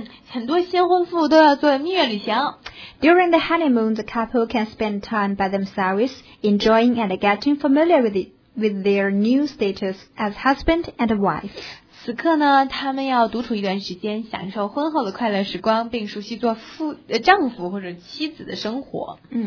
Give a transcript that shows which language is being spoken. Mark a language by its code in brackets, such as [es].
[zh] 很多新婚夫妇都要做蜜月旅行。 [en] During the honeymoon, the couple can spend time by themselves, enjoying and getting familiar with their new status as husband and wife. [zh] 此刻呢，他们要独处一段时间，享受婚后的快乐时光，并熟悉做丈夫或者妻子的生活。